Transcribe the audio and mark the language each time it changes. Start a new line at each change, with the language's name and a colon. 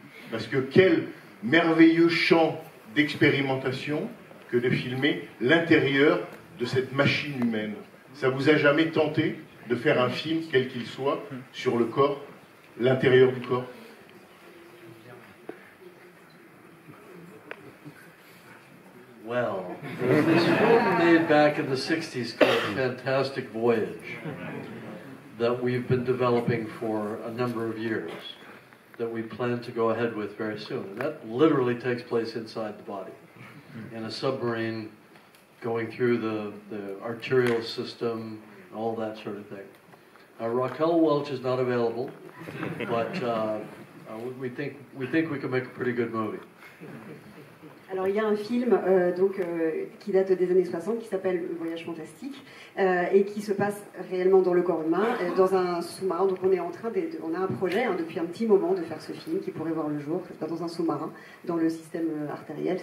French: Parce que quel merveilleux champ d'expérimentation que de filmer l'intérieur de cette machine humaine. Ça vous a jamais tenté de faire un film, quel qu'il soit, sur le corps, l'intérieur du corps?
English: Well, there's this film made back in the 60s called Fantastic Voyage that we've been developing for a number of years that we plan to go ahead with very soon. And that literally takes place inside the body in a submarine going through the arterial system and all that sort of thing. Raquel Welch is not available, but we think we can make a pretty good movie.
French: Alors il y a un film qui date des années 60 qui s'appelle Voyage fantastique et qui se passe réellement dans le corps humain, dans un sous-marin. Donc on est en train on a un projet depuis un petit moment de faire ce film qui pourrait voir le jour, dans un sous-marin, dans le système artériel.